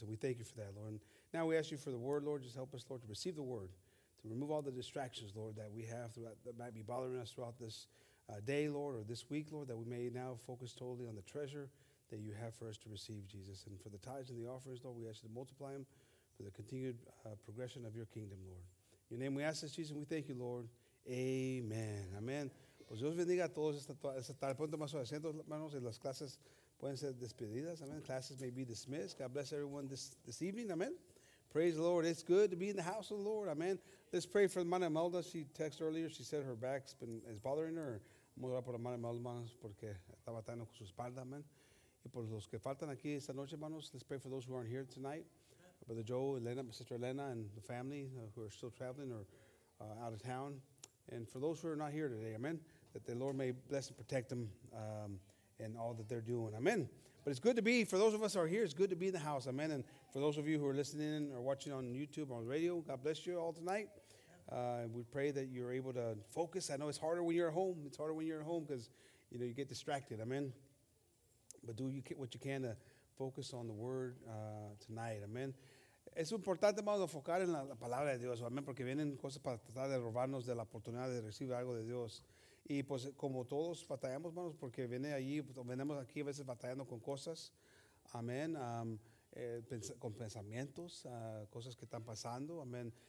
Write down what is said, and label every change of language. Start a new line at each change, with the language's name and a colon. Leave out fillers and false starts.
English: And we thank you for that, Lord. And now we ask you for the word, Lord. Just help us, Lord, to receive the word, to remove all the distractions, Lord, that we have throughout, that might be bothering us throughout this day, Lord, or this week, Lord, that we may now focus totally on the treasure that you have for us to receive, Jesus. And for the tithes and the offerings, Lord, we ask you to multiply them for the continued progression of your kingdom, Lord. In your name we ask this, Jesus, and we thank you, Lord. Amen. Amen.
Spanish: Pues Dios bendiga a todos esta tarde. Pueden tomar sus asientos, hermanos, y las clases pueden ser despedidas.
English: Amen. Classes may be dismissed. God bless everyone this evening. Amen. Praise the Lord. It's good to be in the house of the Lord. Amen. Let's pray for the hermana Melda. She texted earlier. She said her back is bothering her.
Spanish: Vamos a orar por la hermana Melda, hermanos, porque está batallando con su espalda. Amen. Y por los que faltan aquí esta noche, hermanos,
English: let's pray for those who aren't here tonight. Brother Joe, Elena, my sister Elena, and the family who are still traveling or out of town. And for those who are not here today, amen, that the Lord may bless and protect them in all that they're doing. Amen. But it's good to be, for those of us who are here, it's good to be in the house. Amen. And for those of you who are listening or watching on YouTube or on the radio, God bless you all tonight. We pray that you're able to focus. I know it's harder when you're at home. It's harder when you're at home because, you know, you get distracted. Amen. But do you what you can to focus on the word tonight. Amen.
Spanish: Es importante, hermanos, enfocar en la palabra de Dios, amén, porque vienen cosas para tratar de robarnos de la oportunidad de recibir algo de Dios. Y pues como todos batallamos, hermanos, porque viene allí, venimos aquí a veces batallando con cosas, amén, con pensamientos, cosas que están pasando, amén.